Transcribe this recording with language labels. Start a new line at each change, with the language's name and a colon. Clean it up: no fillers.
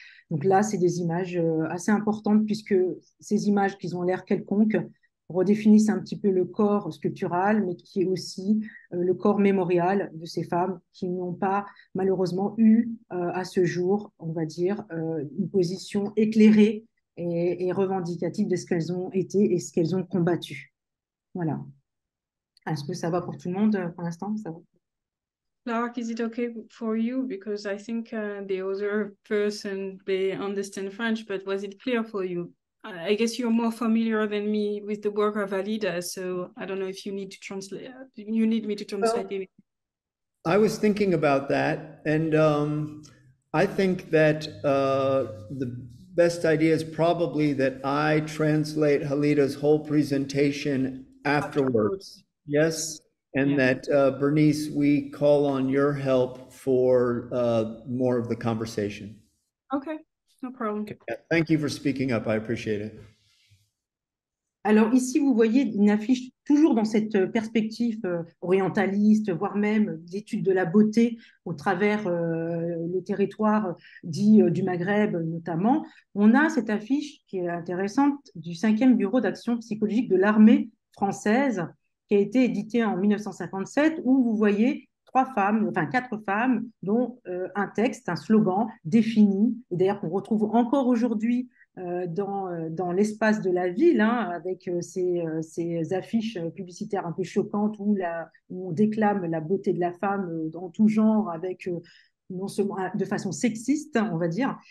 French: Donc là, c'est des images assez importantes, puisque ces images qui ont l'air quelconques redéfinissent un petit peu le corps sculptural, mais qui est aussi le corps mémorial de ces femmes qui n'ont pas malheureusement eu à ce jour, on va dire, une position éclairée et revendicative de ce qu'elles ont été et ce qu'elles ont combattu. Voilà. Est-ce que ça va pour tout le monde pour l'instant? Ça va.
English: Clark, is it okay for you? Because I think the other person, they understand French, but was it clear for you? I guess you're more familiar than me with the work of Halida, so I don't know if you need to translate. You need me to translate. Well, I was thinking about that, and I think that the best idea is probably that I translate Halida's whole presentation afterwards. Absolutely. Yes. And yeah. That, Bernice, we call on your help for more of the conversation. Okay, no problem. Thank you for speaking up. I appreciate it.
French: Alors ici, vous voyez une affiche toujours dans cette perspective orientaliste, voire même d'étude de la beauté au travers le territoire dit du Maghreb notamment. On a cette affiche qui est intéressante du 5e Bureau d'Action Psychologique de l'Armée française, qui a été édité en 1957, où vous voyez trois femmes, enfin quatre femmes, dont un texte, un slogan défini, et d'ailleurs qu'on retrouve encore aujourd'hui dans l'espace de la ville, hein, avec ces affiches publicitaires un peu choquantes où on déclame la beauté de la femme dans tout genre, avec non seulement de façon sexiste, on va dire.